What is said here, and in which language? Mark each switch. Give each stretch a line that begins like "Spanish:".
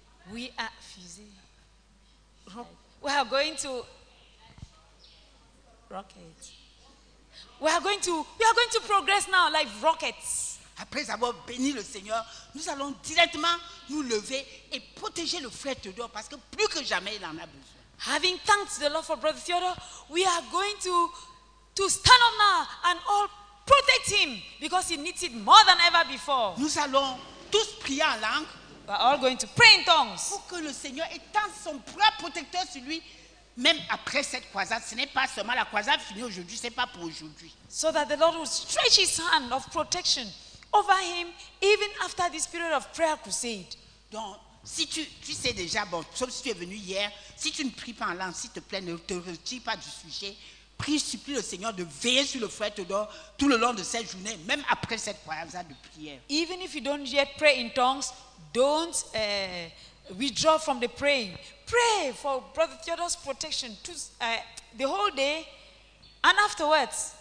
English: We are fusing. We are going to rocket. We are going to progress now like rockets.
French: Après avoir béni le Seigneur, nous allons directement nous lever et protéger le frère Théodore parce que plus que jamais il en a besoin.
English: Having thanked the Lord for Brother Theodore, we are going to stand up now and all protect him because he needs it more than ever before.
French: Nous allons tous prier en langue.
English: We're all going to pray in tongues.
French: Pour que le Seigneur étend son bras protecteur sur lui, même après cette croisade. Ce n'est pas seulement la croisade finie aujourd'hui, ce n'est pas pour aujourd'hui.
English: So that the Lord will stretch his hand of protection over him, even after this period of prayer crusade.
French: Donc, si tu sais déjà, bon, sauf si tu es venu hier, si tu ne pries pas en langue, s'il te plaît, ne te retire pas du sujet. Prie, supplie le Seigneur de veiller sur le frère Théodore tout le long de cette journée, même après cette croisade de prière.
English: Even if you don't yet pray in tongues, don't withdraw from the praying. Pray for Brother Theodore's protection the whole day and afterwards.